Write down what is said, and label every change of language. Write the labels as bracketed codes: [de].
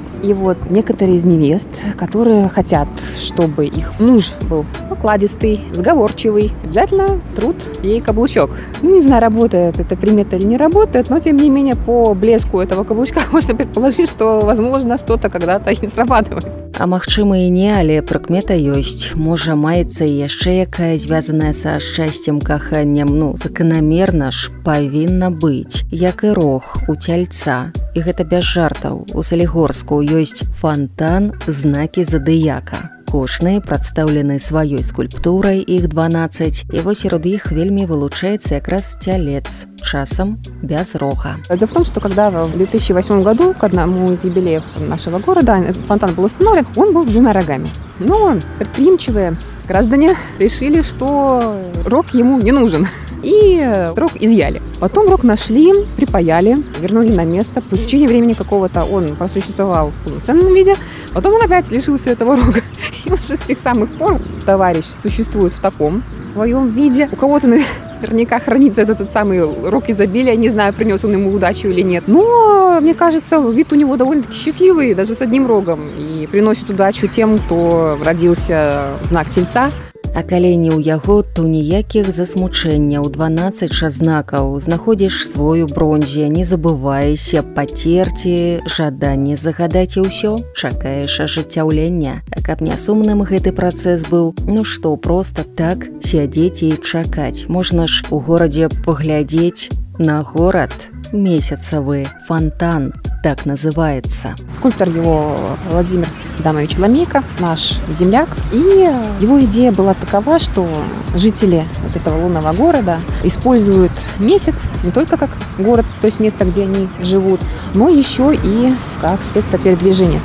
[ru] И вот некоторые из невест, которые хотят, чтобы их муж был покладистый, сговорчивый, обязательно трут ей каблучок. Ну, не знаю, работает эта примета или не работает, но, тем не менее, по блеску этого каблучка можно предположить, что, возможно, что-то когда-то и срабатывает. [be] А магчыма і не, але прыкмета ёсць. Можа, маецца і яшчэ якая, звязаная са шчасцем, каханнем. Ну, заканамерна ж павінна быць. Як і рог у цяльца. І гэта без жартаў. У Салігорску ёсць фонтан знакі задыяка. Кошны прадстаўлены сваёй скульптурай, іх 12. І вось сярод іх вельмі вылучаецца якраз цялец. Часам без рога. [ru] Дело в том, что когда в 2008 году к одному из юбилеев нашего города этот фонтан был установлен, он был с двумя рогами. Но предприимчивые граждане решили, что рог ему не нужен. И рог изъяли. Потом рог нашли, припаяли, вернули на место. По течении времени какого-то он просуществовал в полноценном виде. Потом он опять лишился этого рога. И уже с тех самых пор товарищ существует в таком своем виде. У кого-то наверняка хранится этот самый рог изобилия. Не знаю, принес он ему удачу или нет. Но, мне кажется, вид у него довольно-таки счастливый, даже с одним рогом. И приносит удачу тем, кто родился в знак Тельца. [be] А калені ў яго, то ніякіх засмучэнняў, 12 шазнакаў, знаходзіш свой у бронзе, не забывайся, патерці, жаданне загадаць і ўсё, чакаеш ажыццяўлення. А каб не сумным гэты працэс быў, ну што, проста так сядзець і чакаць. Можна ж у горадзе паглядзець на горад. [ru] Месяцевы фонтан, так называется. Скульптор его Владимир Адамович Ламейко, наш земляк. И его идея была такова, что жители вот этого лунного города используют месяц не только как город, то есть место, где они живут, но еще и как средство передвижения.